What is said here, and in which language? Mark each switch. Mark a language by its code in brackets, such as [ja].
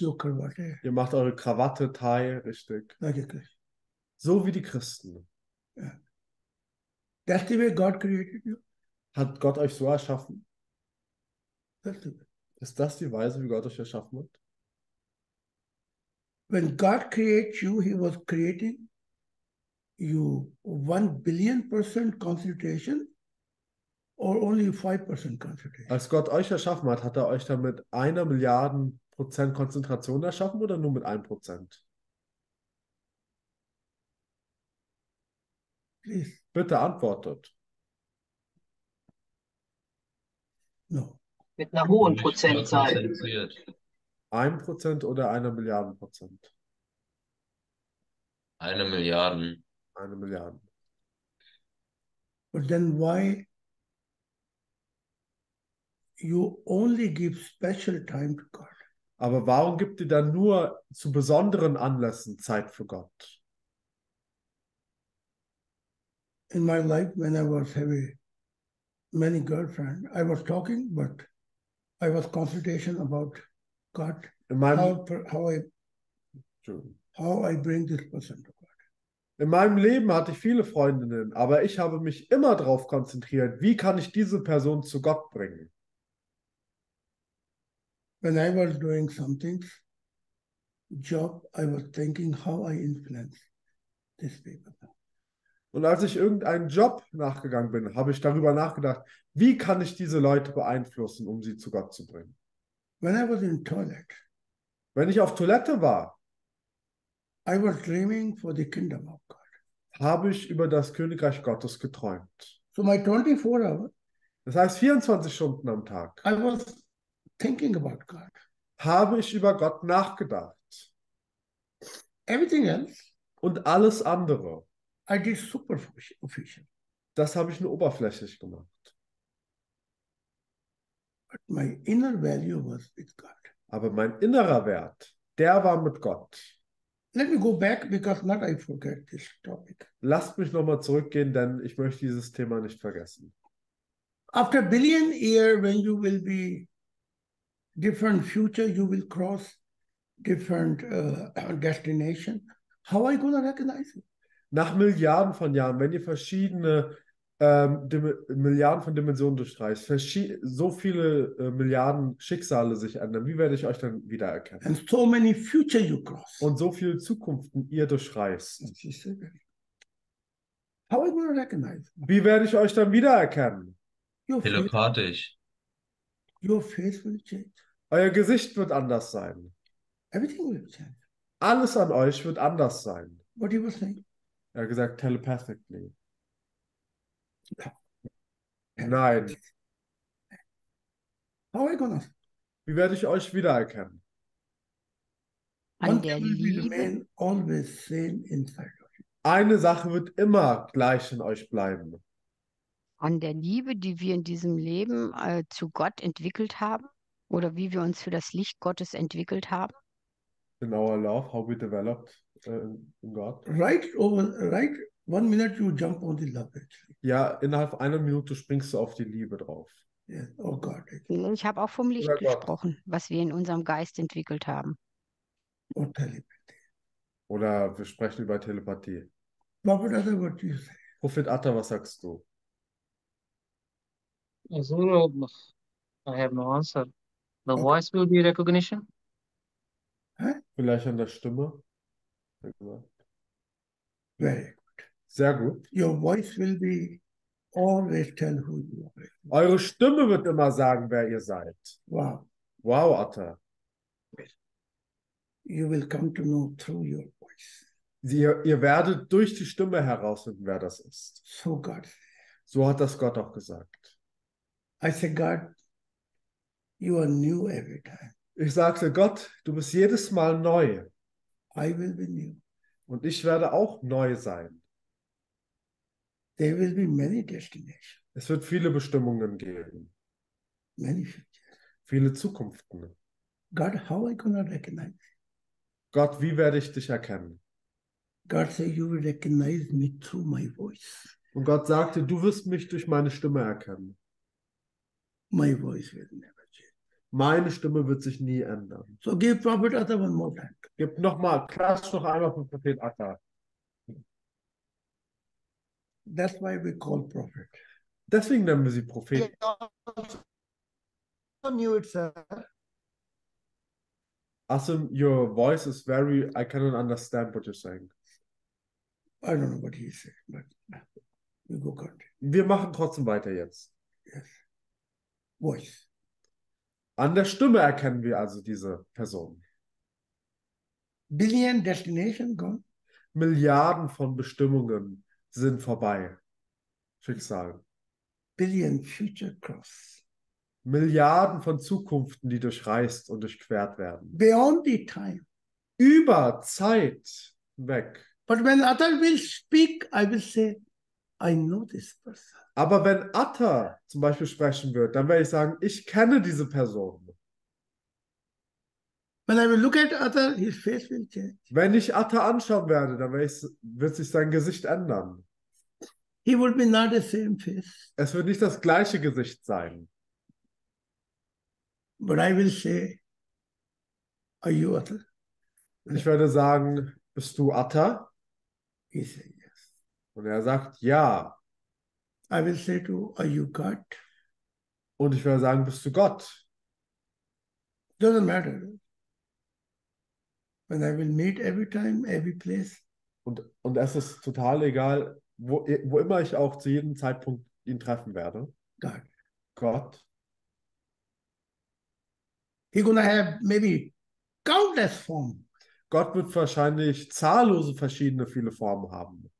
[de] Ihr macht eure Krawatte teil, richtig. So wie die Christen. [en] That's the way God created you. [de] Hat Gott euch so erschaffen? [en] That's the way. [de] Ist das die Weise, wie Gott euch erschaffen hat? [en] When God created you, he was creating you 1 billion% concentration. Or only 5% concentration. [de] Als Gott euch erschaffen hat, hat er euch dann mit 1 Milliarden% Konzentration erschaffen oder nur mit 1%? [en] Please. [de] Bitte antwortet. [en] No. [de] Mit einer hohen Prozentzahl. 1% oder 1 Milliarden Prozent? 1 Milliarde. 1 Milliarde. [en] But then why you only give special time to God? [de] Aber warum gibt ihr dann nur zu besonderen Anlässen Zeit für Gott? [en] In my life, when I was having many girlfriends, I was talking, but I was consultation about God. How I bring this person to God. [de] In meinem Leben hatte ich viele Freundinnen, aber ich habe mich immer darauf konzentriert, wie kann ich diese Person zu Gott bringen. [en] When I was doing something, job, I was thinking how I influence this people. [de] Und als ich irgendeinen Job nachgegangen bin, habe ich darüber nachgedacht, wie kann ich diese Leute beeinflussen, um sie zu Gott zu bringen. [en] When I was in toilet, [de] wenn ich auf Toilette war, [en] I was dreaming for the kingdom of God. [de] Habe ich über das Königreich Gottes geträumt. [en] So my 24 hours, [de] das heißt 24 Stunden am Tag, [en] I was thinking about God. [de] Habe ich über Gott nachgedacht. [en] Everything else, [de] und alles andere, [en] I did superficial. [de] Das habe ich nur oberflächlich gemacht. [en] But my inner value was with God. [de] Aber mein innerer Wert, der war mit Gott. [en] Let me go back because not I forget this topic. [de] Lasst mich nochmal zurückgehen, denn ich möchte dieses Thema nicht vergessen. [en] After billion year, when you will be different future, you will cross different destination. How are you gonna recognize it? [de] Nach Milliarden von Jahren, wenn ihr verschiedene Milliarden von Dimensionen durchstreicht, so viele Milliarden Schicksale sich ändern, wie werde ich euch dann wiedererkennen? [en] And so many future you cross. [de] Und so viele Zukunften ihr durchstreicht. [en] How are you gonna recognize? [de] Wie werde ich euch dann wiedererkennen? Telepathisch. [en] Your face will change. [de] Euer Gesicht wird anders sein. [en] Everything will change. [de] Alles an euch wird anders sein. [en] What do you think? [de] Er hat gesagt, telepathically. Nein. [en] How are you gonna... [de] Wie werde ich euch wiedererkennen? An der Liebe. [en] Always same inside of you. [de] Eine Sache wird immer gleich in euch bleiben. An der Liebe, die wir in diesem Leben zu Gott entwickelt haben? Oder wie wir uns für das Licht Gottes entwickelt haben? [en] In our love, how we developed in God. Right, 1 minute you jump on the love. [de] Ja, innerhalb einer Minute springst du auf die Liebe drauf. [en] Yeah. Oh God. [de] Ich habe auch vom Licht gesprochen, was wir in unserem Geist entwickelt haben. Oh, Telepathie. Oder wir sprechen über Telepathie. [en] Prophet Atta, what do you say? [de] Prophet Atta, was sagst du? [en] Also, I have no answer. The okay. Voice will be recognition. [de] Vielleicht an der Stimme. [en] Very good. [de] Sehr gut. [en] Your voice will be always tell who you are. [de] Eure Stimme wird immer sagen, wer ihr seid. Wow. Wow, Atta. [en] You will come to know through your voice. [de] Ihr werdet durch die Stimme herausfinden, wer das ist. [en] So God. [de] So hat das Gott auch gesagt. [en] I say, God, you are new every time. [de] Ich sagte, Gott, du bist jedes Mal neu. [en] I will be new. [de] Und ich werde auch neu sein. [en] There will be many destinations. [de] Es wird viele Bestimmungen geben. [en] Many futures. [de] Viele Zukunften. [en] God, how I gonna recognize? [de] Gott, wie werde ich dich erkennen? [en] God said, you will recognize me through my voice. [de] Und Gott sagte, du wirst mich durch meine Stimme erkennen. [en] My voice will never. [de] Meine Stimme wird sich nie ändern. [en] So give Prophet Atta one more time. [de] Gib nochmal, klatsch noch einmal für Prophet Atta. [en] That's why we call Prophet. [de] Deswegen nennen wir sie Prophet. [en] I knew it, sir. Asim, your voice is very, I cannot understand what you're saying. I don't know what he said, but we go continue. [de] Wir machen trotzdem weiter jetzt. [en] Yes. Voice. [de] An der Stimme erkennen wir also diese Person. [en] Billion destination gone. [de] Milliarden von Bestimmungen sind vorbei. Schicksal. [en] Billion future cross. [de] Milliarden von Zukunften, die durchreist und durchquert werden. [en] Beyond the time. [de] Über Zeit weg. [en] But when Atta will speak, I will say, I know this person. [de] Aber wenn Atta zum Beispiel sprechen wird, dann werde ich sagen, ich kenne diese Person. [en] When I will look at Atta, his face will change. [de] Wenn ich Atta anschauen werde, dann wird sich sein Gesicht ändern. [en] He will be not the same face. [de] Es wird nicht das gleiche Gesicht sein. [en] But I will say, are you Atta? [de] Ich werde sagen, bist du Atta? [en] He said yes. [de] Und er sagt, ja. [en] I will say to, are you God? [de] Und ich werde sagen, bist du Gott? [en] Doesn't matter. When I will meet every time, every place. [de] Und es ist total egal, wo immer ich auch zu jedem Zeitpunkt ihn treffen werde. [en] God. [de] Gott. [en] He gonna have maybe countless form. [de] Gott wird wahrscheinlich zahllose verschiedene viele Formen haben.